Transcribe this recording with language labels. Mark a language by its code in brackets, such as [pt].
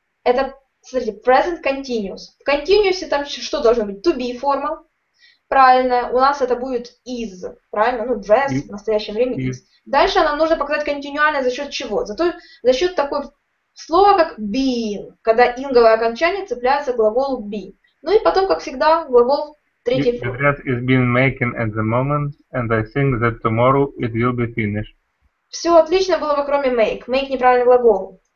[ru] Это, смотрите, present continuous. В continuous там что должно быть? To be форма. Правильно. У нас это будет is. Правильно? Ну, dress в настоящем времени is. Дальше нам нужно показать континуально за счет чего? За счет такого слова, как being. Когда инговое окончание цепляется к глаголу be. Ну и потом, как всегда, глагол третьей формы. [en] The dress is being making at the moment, and I think that tomorrow it will be finished. [ru] Все отлично было бы, кроме make. Make неправильный глагол.